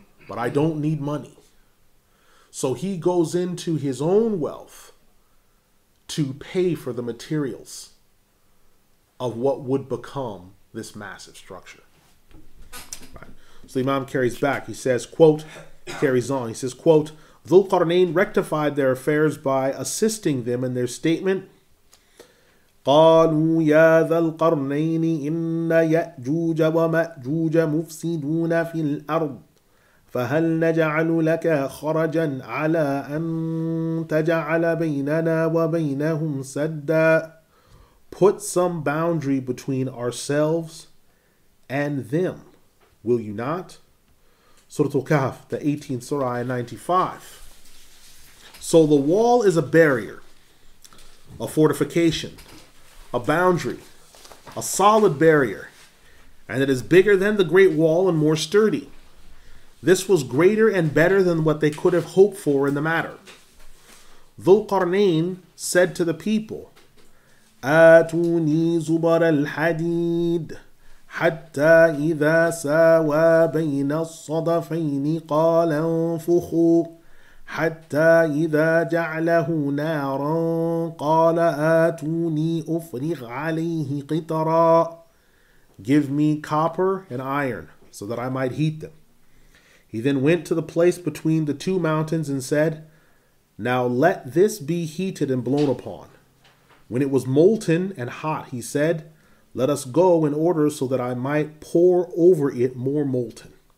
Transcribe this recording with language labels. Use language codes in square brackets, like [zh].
[en] But I don't need money. So he goes into his own wealth to pay for the materials of what would become this massive structure. Right. So the Imam carries back. He says, quote, carries on. He says, quote, Dhul-Qarnayn rectified their affairs by assisting them in their statement, [ar] قَالُوا يَا ذَا الْقَرْنَيْنِ إِنَّ يَأْجُوجَ وَمَأْجُوجَ مُفْسِدُونَ فِي الْأَرْضِ فَهَلْ نَجَعَلُ لَكَ خَرَجًا عَلَىٰ أَن تَجَعَلَ بَيْنَنَا وَبَيْنَهُمْ سَدًّا. [en] Put some boundary between ourselves and them, will you not? Surah Al-Kahf, the 18th Surah, 95. So the wall is a barrier, a fortification, a boundary, a solid barrier, and it is bigger than the Great Wall and more sturdy. This was greater and better than what they could have hoped for in the matter. Dhul-Qarnayn said to the people, [ar] أَتُونِي زُبَرَ الْحَدِيدِ حَتَّى إِذَا سَاوَى بَيْنَ الصَّدَفَيْنِ قَالَ انْفُخُوا حَتَّى إِذَا جَعْلَهُ نَارًا قَالَ آتُونِي أُفْرِغْ عَلَيْهِ قِطَرًا. [en] Give me copper and iron so that I might heat them. He then went to the place between the two mountains and said, now let this be heated and blown upon. When it was molten and hot, he said, let us go in order so that I might pour over it more molten.